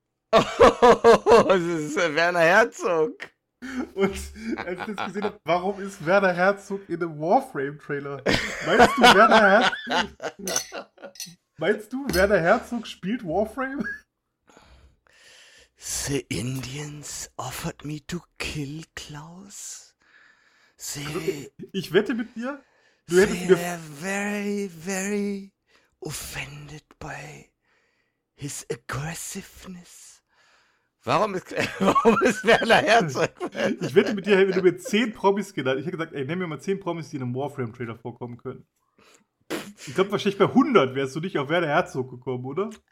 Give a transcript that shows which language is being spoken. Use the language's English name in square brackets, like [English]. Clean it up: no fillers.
[German] Das ist Werner Herzog. Und als ich das gesehen habe, warum ist Werner Herzog in einem Warframe-Trailer? Meinst du, Werner Herzog? Meinst du, Werner Herzog spielt Warframe? [English] The Indians offered me to kill Klaus. [German] Ich wette mit dir, du hättest mir... [English] They are very, very offended by his aggressiveness. [German] Warum ist Werner Herzog? Ich wette mit dir, wenn du mir 10 Promis genannt. Ich hätte gesagt, ey, nimm mir mal 10 Promis, die in einem Warframe-Trailer vorkommen können. Ich glaube, wahrscheinlich bei 100 wärst du nicht auf Werner Herzog gekommen, oder?